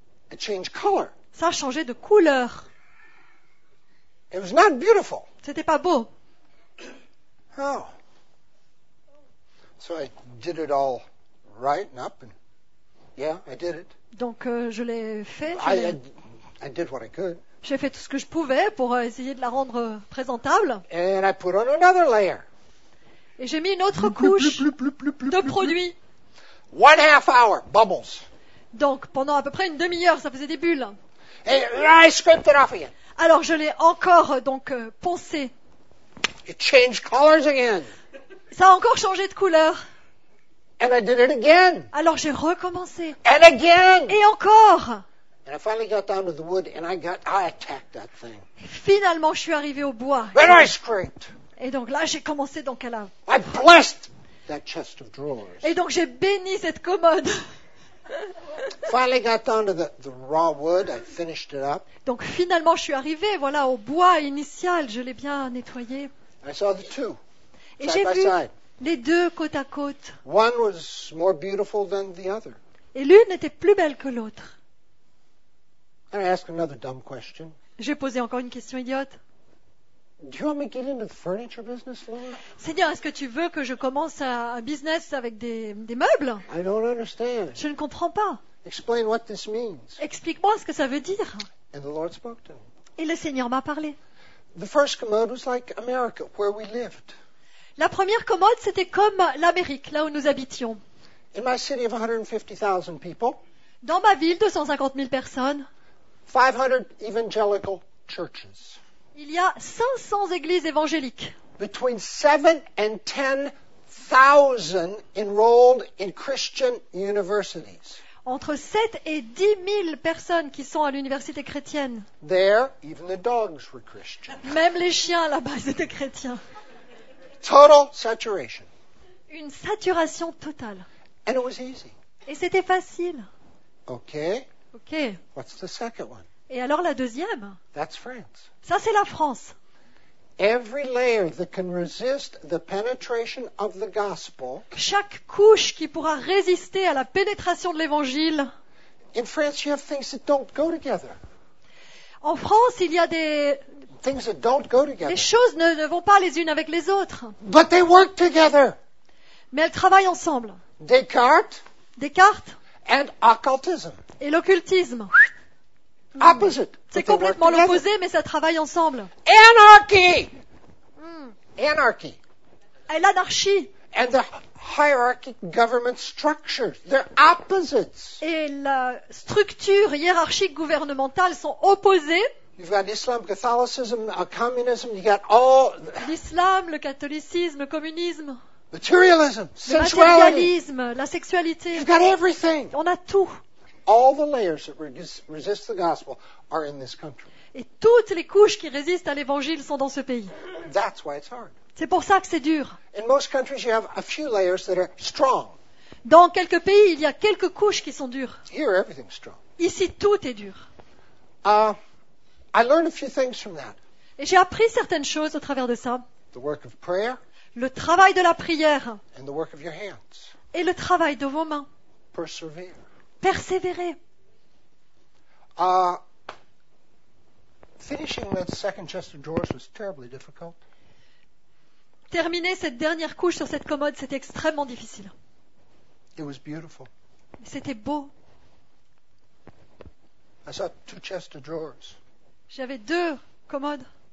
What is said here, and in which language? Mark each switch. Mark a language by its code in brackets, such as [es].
[en] It changed color. [fr] Ça a changé de couleur. [en] It was not beautiful. [fr] C'était pas beau. Oh. [en] So I did it all right and up. And yeah, I did it. [fr] Donc, je l'ai fait. [en] I did what I could. [fr] J'ai fait tout ce que je pouvais pour essayer de la rendre présentable. [en] And I put on another layer. [fr] Et j'ai mis une autre couche de produit. [en] One half hour, bubbles. [fr] Donc pendant à peu près une demi-heure, ça faisait des bulles. [en] And I scraped it off again. [fr] Alors je l'ai encore donc poncé. [en] It changed colors again. [fr] Ça a encore changé de couleur. [en] And I did it again. [fr] Alors j'ai recommencé. [en] And again. [fr] Et encore. [en] And I finally got down to the wood and I attacked that thing. [fr] Finalement, je suis arrivé au bois. [en] Then I scraped. [fr] Et donc là, j'ai commencé donc à la. [en] I blessed that chest of drawers. [fr] Et donc j'ai béni cette commode. [en] Finally got down to the raw wood, I finished it up. [fr] Donc finalement, je suis arrivé voilà au bois initial, je l'ai bien nettoyé. [en] I saw the two. [fr] Et j'ai vu les deux côte à côte. [en] One was more beautiful than the other. [fr] Et l'une était plus belle que l'autre. [en] And I ask another dumb question. [fr] J'ai posé encore une question idiote. [en] Do you want me to get into the furniture business, Lord? [fr] Seigneur, est-ce que tu veux que je commence un business avec des meubles? [en] I don't understand. [fr] Je ne comprends pas. [en] Explain what this means. [fr] Explique-moi ce que ça veut dire. [en] And the Lord spoke to me. [fr] Et le Seigneur m'a parlé. [en] The first commode was like America, where we lived. [fr] La première commode, c'était comme l'Amérique, là où nous habitions. [en] In my city of 150,000 people. [fr] Dans ma ville, 250 000 personnes. [en] 500 evangelical churches. [fr] Il y a 500 églises évangéliques. [en] Between 7 and 10,000 enrolled in Christian universities. [fr] Entre 7 et 10 000 personnes qui sont à l'université chrétienne. [en] There, even the dogs were Christian. [fr] Même les chiens là-bas étaient chrétiens. [en] Total saturation. [fr] Une saturation totale. [en] And it was easy. [fr] Et c'était facile. [en] Okay. Okay. What's the second one? [fr] Et alors la deuxième? [en] That's France. [fr] Ça c'est la France. [en] Every layer that can resist the penetration of the gospel. [fr] Chaque couche qui pourra résister à la pénétration de l'évangile. [en] In France, you have things that don't go together. [fr] En France, il y a des [en] things that don't go together. [fr] Les choses ne vont pas les unes avec les autres. [en] But they work together. [fr] Mais elles travaillent ensemble. [en] Descartes. And occultism. [fr] Et l'occultisme. [en] Opposite. [fr] C'est complètement l'opposé, mais ça travaille ensemble. [en] Anarchy. Anarchy. [fr] Et l'anarchie. [en] And the hierarchic government structures. They're opposites. [fr] Et la structure hiérarchique gouvernementale sont opposées. [en] You've got Islam, Catholicism, communism. You got all. [fr] L'islam, le catholicisme, le communisme. [en] Materialism, sensuality. [fr] Matérialisme, la sexualité. [en] You've got everything. [fr] On a tout. [en] All the layers that resist the gospel are in this country. [fr] Et toutes les couches qui résistent à l'évangile sont dans ce pays. [en] That's why it's hard. [fr] C'est pour ça que c'est dur. [en] In most countries, you have a few layers that are strong. [fr] Dans quelques pays, il y a quelques couches qui sont dures. [en] Here, everything's strong. [fr] Ici, tout est dur. [en] I learned a few things from that. [fr] Et j'ai appris certaines choses au travers de ça. [en] The work of prayer. [fr] Le travail de la prière. [en] And the work of your hands. [fr] Et le travail de vos mains. [en] Persevere. [fr] Persévérer. [en] Finishing that second chest of drawers was terribly difficult. [fr] Terminer cette dernière couche sur cette commode, c'était extrêmement difficile. [en] It was beautiful. [fr] C'était beau. [en] I saw two chest of drawers. [fr] J'avais deux commodes.